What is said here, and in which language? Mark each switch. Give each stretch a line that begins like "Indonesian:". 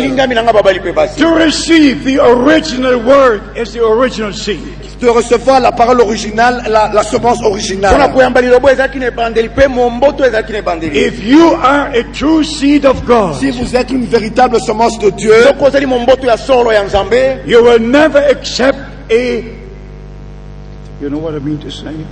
English: To receive the original word as the original seed.
French: De recevoir la parole originale, la semence originale.
English: If you are a true seed of God,
French: si vous êtes une véritable semence de Dieu,
English: you will never accept a, you know what I mean to say?